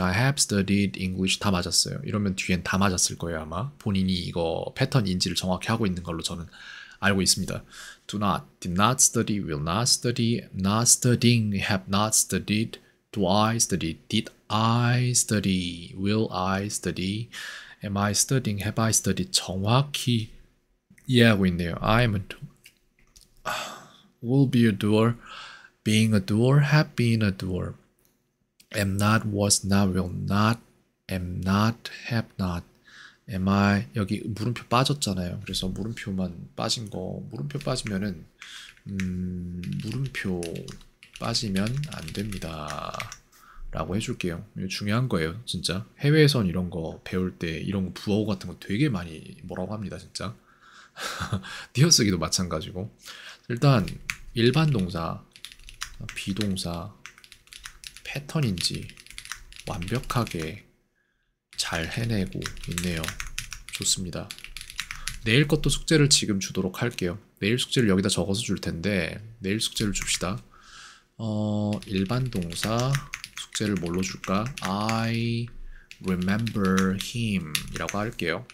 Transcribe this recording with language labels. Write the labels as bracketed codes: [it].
[en] I have studied English. [ko] 다 맞았어요. 이러면 뒤엔 다 맞았을 거예요, 아마. 본인이 이거 패턴인지를 정확히 하고 있는 걸로 저는 알고 있습니다. [en] Do not, did not study, will not study, not studying, have not studied, do I study, did I study, will I study, am I studying, have I studied [ko] 정확히 이해하고 있네요. [en] I am a Will be a doer, being a doer, have been a doer. Am not, was not, will not, am not, have not. Am I, [ko] 여기 물음표 빠졌잖아요. 그래서 물음표만 빠진 거, 물음표 빠지면은, 물음표 빠지면 안 됩니다. 라고 해줄게요. 중요한 거예요, 진짜. 해외에선 이런 거 배울 때 이런 부어 같은 거 되게 많이 뭐라고 합니다, 진짜. 띄어쓰기도 마찬가지고. 일단, 일반 동사, 비동사, 패턴인지 완벽하게 잘 해내고 있네요. 좋습니다. 내일 것도 숙제를 지금 주도록 할게요. 내일 숙제를 여기다 적어서 줄 텐데, 내일 숙제를 줍시다. 일반 동사, 숙제를 뭘로 줄까? [en] I remember him [ko] 이라고 할게요.